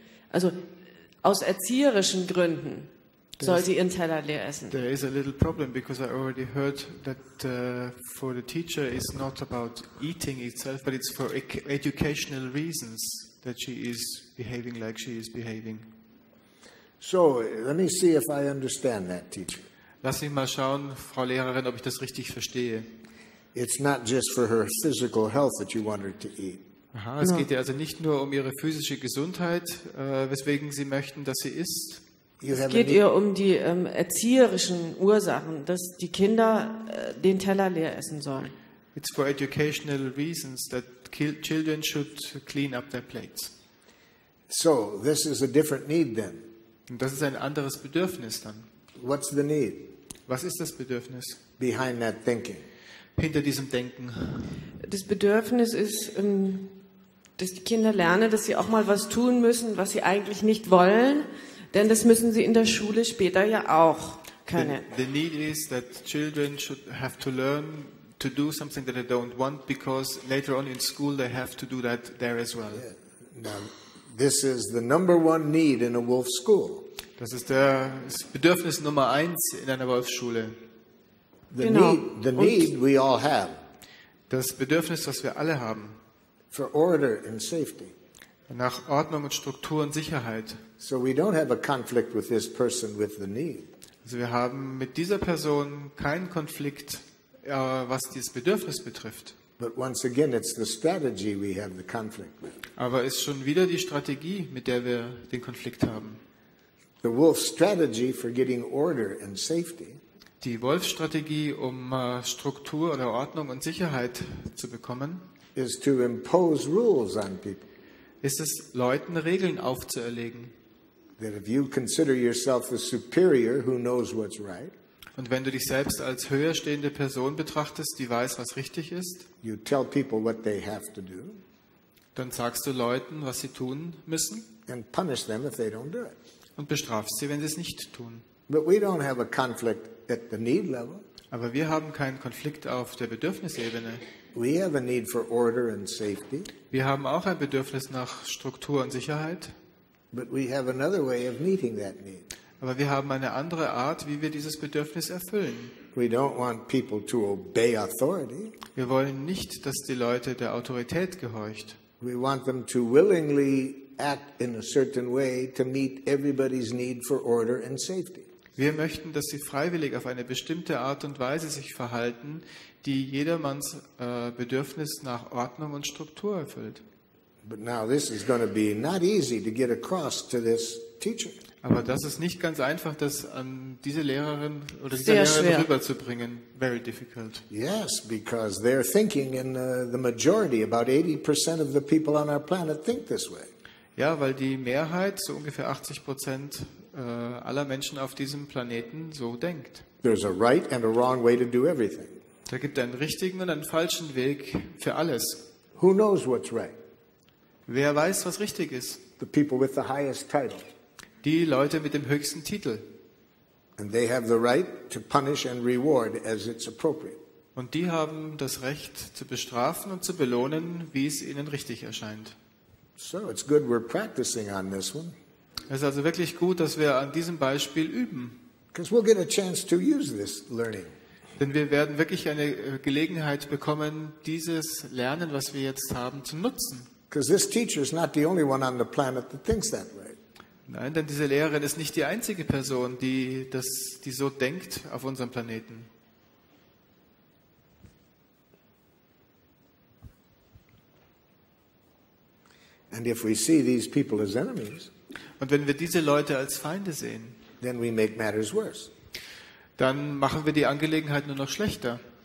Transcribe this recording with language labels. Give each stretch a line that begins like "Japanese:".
German: Also aus erzieherischen Gründen soll sie ihren Teller leer essen.
English: There is a little problem because I already heard that for the teacher it's not about eating itself, but it's for educational reasons that she is behaving like she is behaving. So, let me see if I understand that, teacher.
German: Lass mich mal schauen, Frau Lehrerin, ob ich das richtig verstehe.
English: It's not just for her physical health that you want her to eat.
German: Aha, es geht ja also nicht nur um ihre physische Gesundheit, weswegen sie möchten, dass sie isst. Es geht ihr um die erzieherischen Ursachen, dass die Kinder den Teller leer essen sollen.
English: It's for educational reasons that children should clean up their plates. So, this is a different need then.
German: Und das ist ein anderes Bedürfnis dann.
English: What's the need?
German: Was ist das Bedürfnis?
English: Behind that thinking.
German: Hinter diesem Denken. Das Bedürfnis ist, dass die Kinder lernen, dass sie auch mal was tun müssen, was sie eigentlich nicht wollen. Denn das müssen sie in der Schule später ja auch können.
English: The need is that children should have to learn to do something that they don't want, because later on in school they have to do that there as well. Yeah. Now, this is the number one need in a wolf school.
German: Das ist der Bedürfnis Nummer eins in einer Wolfsschule.
English: The need we all have.
German: Das Bedürfnis, das wir alle haben.
English: For order and safety.
German: Nach Ordnung und Struktur und Sicherheit.
English: So we don't have a conflict with this person with the need.
German: Also wir haben mit dieser Person keinen Konflikt, was dieses Bedürfnis betrifft.
English: But once again, it's the strategy we have the conflict with.
German: Aber es ist schon wieder die Strategie, mit der wir den Konflikt haben.
English: The wolf's strategy for getting order and safety.
German: Die Wolfsstrategie, um Struktur oder Ordnung und Sicherheit zu bekommen,
English: is to impose rules on people.
German: Ist es, Leuten Regeln aufzuerlegen.
English: That if you consider yourself the superior who knows what's right,
German: und wenn du dich selbst als höher stehende Person betrachtest, die weiß, was richtig ist,
English: you tell people what they have to do,
German: dann sagst du Leuten, was sie tun müssen,
English: and punish them if they don't do it,
German: und bestrafst sie, wenn sie es nicht tun.
English: But we don't have a conflict at the need level.
German: Aber wir haben keinen Konflikt auf der Bedürfnisebene.
English: We have a need for order and safety.
German: Wir haben auch ein Bedürfnis nach Struktur und Sicherheit.
English: But we have another way of meeting that need.
German: Aber wir haben eine andere Art, wie wir dieses Bedürfnis erfüllen.
English: We don't want people to obey authority.
German: Wir wollen nicht, dass die Leute der Autorität gehorcht.
English: We want them to willingly act in a certain way to meet everybody's need for order and safety.
German: Wir möchten, dass sie freiwillig auf eine bestimmte Art und Weise sich verhalten, die jedermanns Bedürfnis nach Ordnung und Struktur erfüllt.
English: But now this is going to be not easy to get across to this teacher.
German: Aber das ist nicht ganz einfach, das an diese Lehrerin oder diese Lehrerin schwer rüberzubringen.
English: Very difficult. Yes, because they're thinking in the majority, about 80% of the people on our planet think this way.
German: Ja, weil die Mehrheit, so ungefähr 80% aller Menschen auf diesem Planeten, so denkt.
English: There's a right and a wrong way to do everything.
German: Da gibt einen richtigen und einen falschen Weg für alles.
English: Who knows what's right?
German: Wer weiß, was richtig ist?
English: The people with the highest title.
German: Die Leute mit dem höchsten Titel.
English: And they have the right to punish and reward as it's appropriate.
German: Und die haben das Recht zu bestrafen und zu belohnen, wie es ihnen richtig erscheint.
English: So it's good we're practicing on this one.
German: Es ist also wirklich gut, dass wir an diesem Beispiel üben.
English: Because we'll get a chance to use this learning.
German: Denn wir werden wirklich eine Gelegenheit bekommen, dieses Lernen, was wir jetzt haben, zu nutzen.
English: Because this teacher is not the only one on the planet that thinks that way.
German: Nein, denn diese Lehrerin ist nicht die einzige Person, die so denkt auf unserem Planeten.
English: And if we see these people as enemies,
German: und wenn wir diese Leute als Feinde sehen,
English: then we make matters worse.
German: Dann machen wir die Angelegenheit nur noch schlechter.